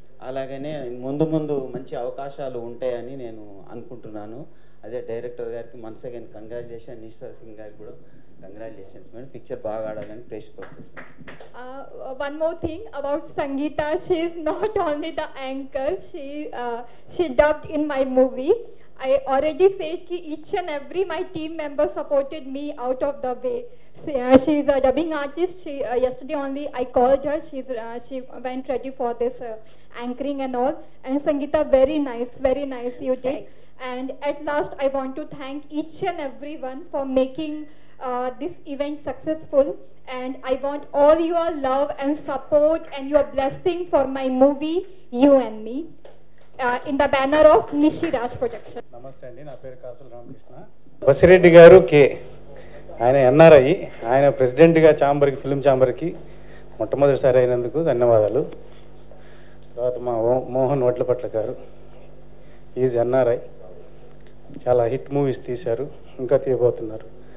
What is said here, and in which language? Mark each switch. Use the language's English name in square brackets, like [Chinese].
[Telugu] అలాగనే ముందు ముందు మంచి అవకాశాలు ఉంటాయని నేను అనుకుంటున్నాను. అదే డైరెక్టర్ గారికి మన్స్ అగైన్ కంగ్రాచులేషన్. నిషా సింగ్ గారికి కూడా కంగ్రాచులేషన్స్ మేడం, పిక్చర్ బాగా ఆడాలని ప్రేక్షకులు. [English] One more thing about Sangeeta, she is not only the anchor, she dubbed in my movie. I already said ki each and every my team member supported me out of the way. She is a dubbing artist. She yesterday only I called her, she went ready for this anchoring and all. And Sangeeta, very nice you did. Thanks. And at last I want to thank each and every one for making this event successful. And I want all your love and support and your blessing for my movie You and Me. [Telugu] నమస్తే అండి, నా పేరు కాసుల రామకృష్ణ. బసిరెడ్డి గారు కే, ఆయన NRI, ఆయన ప్రెసిడెంట్గా చాంబర్కి, film చాంబర్కి మొట్టమొదటిసారి అయినందుకు ధన్యవాదాలు. తర్వాత మా మోహన్ వడ్లపట్ల గారు, ఈజ్ ఎన్ఆర్ఐ, చాలా హిట్ మూవీస్ తీశారు, ఇంకా తీయబోతున్నారు.